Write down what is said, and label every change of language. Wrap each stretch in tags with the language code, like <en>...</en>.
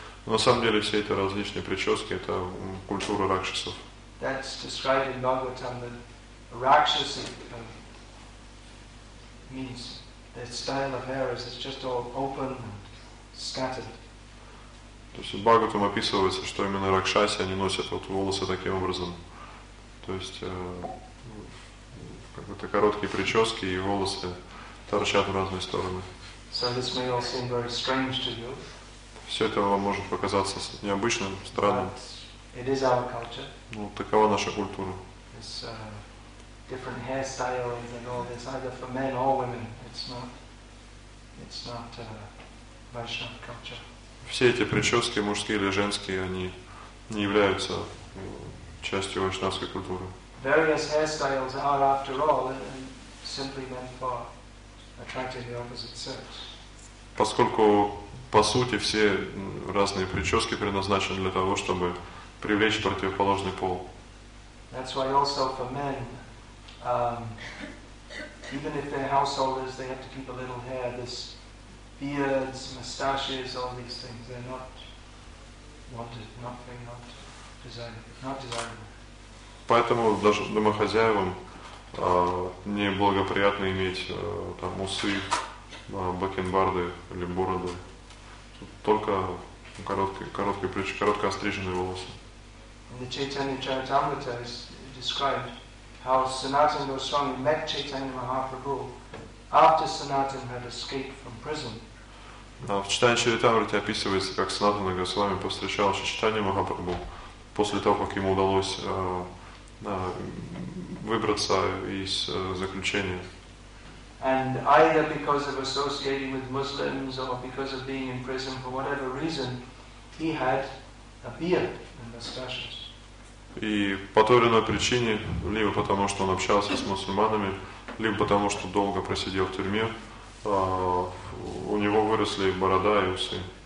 <ru>Но на самом деле все эти различные прически – это культура ракшасов.</ru> <en>That's described in Bhagavatam, that rakshasi means that style of hair is just all open and scattered.</en> <ru>То есть в Бхагаватам описывается, что именно ракшаси, они носят вот волосы таким образом. То есть это короткие прически и волосы торчат в разные стороны.</ru> <en>So this may all seem very strange to you.</en> <ru>Все это вам может показаться необычным, странным.</ru> <en>But it is our culture.</en> <ru>Ну, такова наша культура.</ru> <en>It's a different hairstyle and all this, either for men or women. It's not Vaishnava culture.</en> <ru>Все эти прически, мужские или женские, они не являются частью вайшнавской культуры.</ru> <en>Various hairstyles are, after all, simply meant for attracting the opposite sex.</en> <ru>Поскольку по сути все разные прически предназначены для того, чтобы привлечь противоположный пол.</ru> <en>That's why also for men, even if they're householders, they have to keep a little hair. This beards, mustaches, all these things, they're not wanted, nothing, not desired, not desirable.</en> <ru>Поэтому даже домохозяевам неблагоприятно иметь там усы, бакенбарды или бороды. Только коротко остриженные волосы.</ru> <en>In the Chaitanya Charitamrita is described how Sanatana Goswami met Chaitanya Mahaprabhu after Sanatana had escaped from prison.</en> <ru>В Чайтанья Чаритамрите описывается, как Санатана Госвами повстречал Чайтанья Махапрабху после того, как ему удалось выбраться из заключения.</ru> <en>And either because of associating with Muslims or because of being in prison, for whatever reason, he had a beard and mustaches.</en> <ru>И по той или иной причине, либо потому что он общался с мусульманами, либо потому что долго просидел в тюрьме, у него выросли борода и усы.</ru>